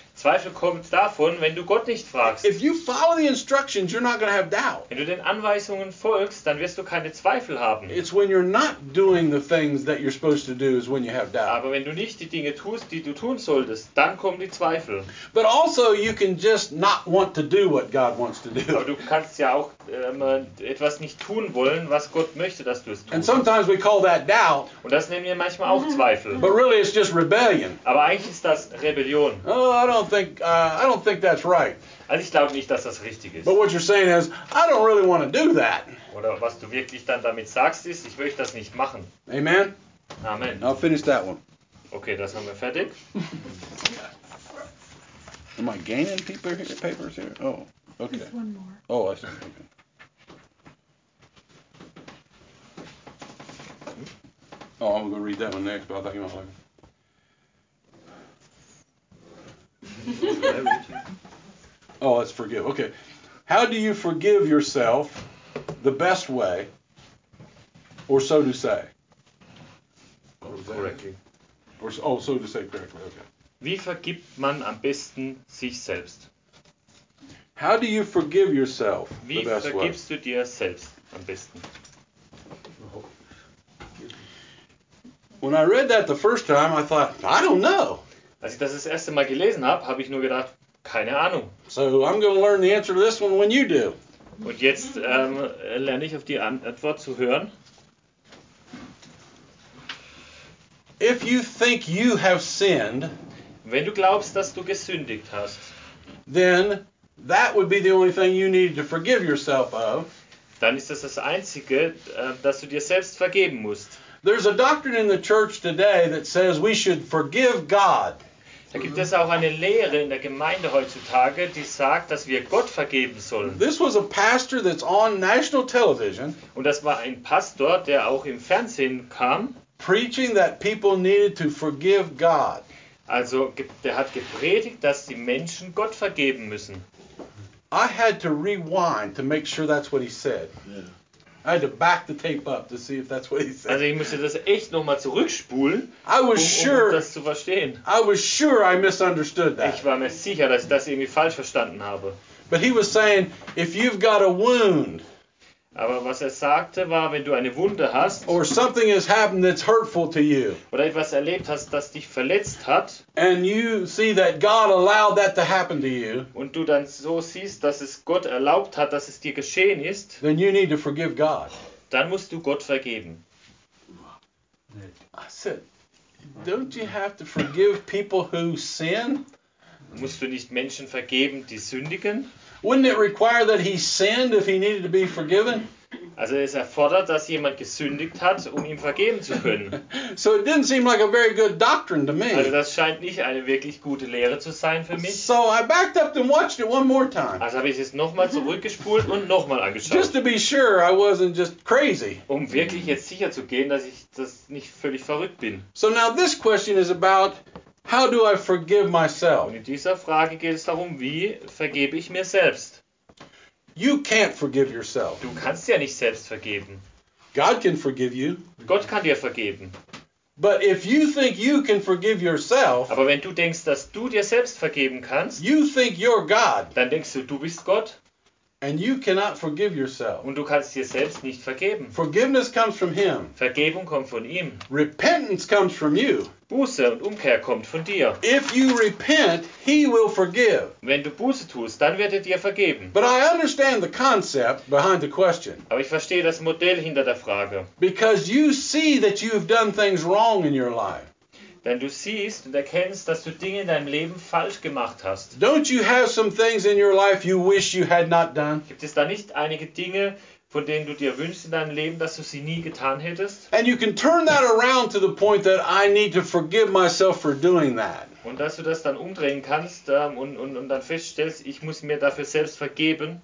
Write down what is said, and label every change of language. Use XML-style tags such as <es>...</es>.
<de>Zweifel kommt davon, wenn du Gott nicht fragst.</de> <en>If you follow the instructions, you're not going to have doubt.</en> <de>Wenn du den Anweisungen folgst, dann wirst du keine Zweifel haben.</de> <en>It's when you're not doing the things that you're supposed to do is when you have doubt.</en> <de>Aber wenn du nicht die Dinge tust, die du tun solltest, dann kommen die Zweifel.</de> <en>But also you can just not want to do what God wants to do.</en> <de>Aber du kannst ja auch etwas nicht tun wollen, was Gott möchte, dass du es tust.</de> <en>And sometimes we call that doubt.</en> <de>Und das nennen wir manchmal auch Zweifel.</de> <en>But really it's just rebellion.</en> <de>Aber eigentlich ist das Rebellion.</de> <en>Oh, I don't think that's right.</en> <de>Also ich glaube nicht, dass das richtig ist.</de> <en>But what you're saying is, I don't really want to do that.</en> <de>Oder was du wirklich dann damit sagst ist, ich möchte das nicht machen.</de> <en>Amen.</en> <de>Amen.</de> <en>I'll finish that one.</en> <de>Okay, das haben wir fertig.</de> <en>Am I gaining paper here? Papers here? Oh, okay. There's one more. Oh, I see. Okay. Oh, I'm going to read that one next, but I thought you might like it. Oh, let's forgive. Okay. How do you forgive yourself the best way, or so to say? Correctly. Oh, so to say correctly. Okay.</en> <de>Wie vergibt man am besten sich selbst?</de> <en>How do you forgive yourself the best way?</en> <de>Wie vergibst du dir selbst am besten?</de> <en>When I read that the first time, I thought, I don't know.</en> <de>Als ich das erste Mal gelesen habe, habe ich nur gedacht, keine Ahnung.</de> <en>So I'm going to learn the answer to this one when you do.</en> <de>Und jetzt lerne ich auf die Antwort zu hören.</de> <en>If you think you have sinned,</en> <de>wenn du glaubst, dass du gesündigt hast,</de> <en>then that would be the only thing you need to forgive yourself of.</en> <de>Dann ist das Einzige, dass du dir selbst vergeben musst.</de> <en>There's a doctrine in the church today that says we should forgive God.</en> <de>Da gibt es auch eine Lehre in der Gemeinde heutzutage, die sagt, dass wir Gott vergeben sollen.</de> <en>This was a pastor that's on national television.</en> <de>Und das war ein Pastor, der auch im Fernsehen kam.</de> <en>Preaching that people needed to forgive God.</en> <de>Also, der hat gepredigt, dass die Menschen Gott vergeben müssen.</de> <en>I had to rewind to make sure that's what he said. Yeah. I had to back the tape up to see if that's what he said.</en> <de>Also, ich musste das echt nochmal zurückspulen,</de> <en>I was sure,</en> <de>um das zu verstehen.</de> <en>I was sure I misunderstood that.</en> <de>Ich war mir sicher, dass ich das irgendwie falsch verstanden habe.</de> <en>But he was saying, if you've got a wound,</en> <de>aber was sagte war, wenn du eine Wunde hast,</de> <en>or something has happened that's hurtful to you,</en> <de>oder etwas erlebt hast, das dich verletzt hat,</de> <en>and you see that God allowed that to happen to you,</en> <de>und du dann so siehst, dass es Gott erlaubt hat, dass es dir geschehen ist,</de> <en>then you need to forgive God.</en> <de>Dann musst du Gott vergeben.</de> <en>I said, don't you have to forgive people who sin?</en> <de>Musst du nicht Menschen vergeben, die sündigen?</de> <en>Wouldn't it require that he sinned if he needed to be forgiven?</en> <de>Also es erfordert, dass jemand gesündigt hat, um ihm vergeben zu können.</de> <en>So it didn't seem like a very good doctrine to me.</en> <de>Also das scheint nicht eine wirklich gute Lehre zu sein für mich.</de> <en>So I backed up and watched it one more time.</en> <de>Also habe ich es nochmal zurückgespult und nochmal angeschaut.</de> <en>Just to be sure I wasn't just crazy.</en> <de>Um wirklich jetzt sicher zu gehen, dass ich das nicht völlig verrückt bin.</de> <en>So now this question is about, how do I forgive myself?</en> <de>Und in dieser Frage geht es darum, wie vergebe ich mir selbst?</de> <en>You can't forgive yourself.</en> <de>Du kannst ja nicht selbst vergeben.</de> <en>God can forgive you.</en> <de>Gott kann dir vergeben.</de> <en>But if you think you can forgive yourself,</en> <de>aber wenn du denkst, dass du dir selbst vergeben kannst,</de> <en>you think you're God.</en> <de>Dann denkst du, du bist Gott.</de> <en>And you cannot forgive yourself.</en> <de>Und du kannst dir selbst nicht vergeben.</de> <en>Forgiveness comes from him.</en> <de>Vergebung kommt von ihm.</de> <en>Repentance comes from you.</en> <de>Buße und Umkehr kommt von dir.</de> <en>If you repent, he will forgive.</en> <de>Wenn du Buße tust, dann wird er dir vergeben.</de> <en>But I understand the concept behind the question.</en> <de>Aber ich verstehe das Modell hinter der Frage.</de> <en>Because you see that you've done things wrong in your life.</en> <de>Denn du siehst und erkennst, dass du Dinge in deinem Leben falsch gemacht hast.</de> <en>Don't you have some things in your life you wish you had not done?</en> <de>Gibt es da nicht einige Dinge, von denen du dir wünschst in deinem Leben, dass du sie nie getan hättest?</de> <en>And you can turn that around to the point that I need to forgive myself for doing that.</en> <de>Und dass du das dann umdrehen kannst und dann feststellst, ich muss mir dafür selbst vergeben.</de>